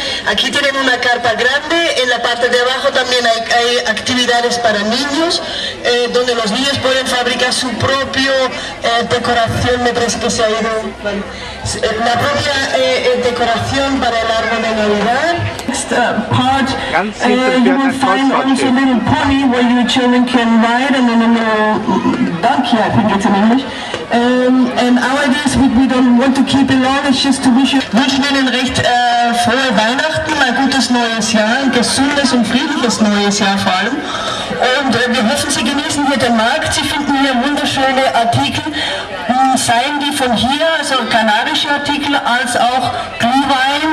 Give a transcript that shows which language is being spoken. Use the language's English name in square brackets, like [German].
[Spanish] Aquí tienen una carpa grande, en la parte de abajo también hay actividades para niños, donde los niños pueden fabricar su propio decoración, me parece que se ha ido, bueno, la propia decoración para el árbol de Navidad. [English] Part, you will find also a little pony where your children can ride, and then a little donkey, I think it's in English. And our idea is we don't want to keep it long, it's just to wish you. [German] Wünschen Ihnen recht frohe Weihnachten, ein gutes neues Jahr, ein gesundes und friedliches neues Jahr vor allem. Und wir hoffen, Sie genießen hier den Markt. Sie finden hier wunderschöne Artikel, seien die von hier, also kanadische Artikel, als auch Glühwein.